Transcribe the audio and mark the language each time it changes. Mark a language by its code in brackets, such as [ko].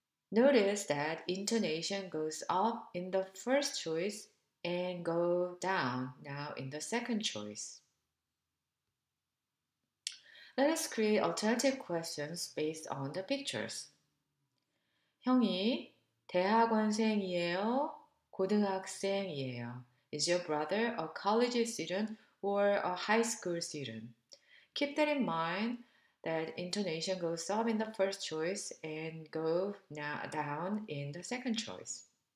[en] Notice that intonation goes up in the first choice and go down now in the second choice. Let us create alternative questions based on the pictures. [ko] 형이 대학원생이에요, 고등학생이에요? [en] Is your brother a college student or a high school student? Keep that in mind that intonation goes up in the first choice and goes down in the second choice.